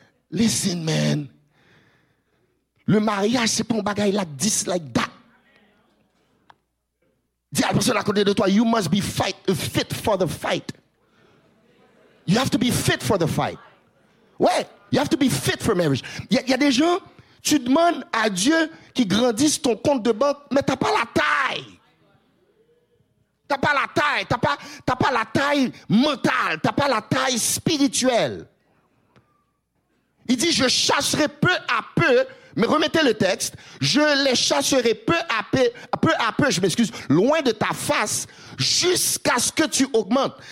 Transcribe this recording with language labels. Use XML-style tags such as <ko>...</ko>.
<en>Listen, man.</en> <fr>Le mariage, ce n'est pas un bagaille</fr> <en>like this, like that.</en> <fr>Dis à la personne à côté de toi,</fr> <en>you must be fit for the fight. You have to be fit for the fight. Ouais, you have to be fit for marriage.</en> <fr>Il y a des gens, tu demandes à Dieu qu'il grandisse ton compte de banque, mais t'as pas la taille. T'as pas la taille, t'as pas la taille mentale, t'as pas la taille spirituelle. Il dit, je chasserai peu à peu. Mais remettez le texte, je les chasserai peu à peu, je m'excuse, loin de ta face, jusqu'à ce que tu augmentes.</fr>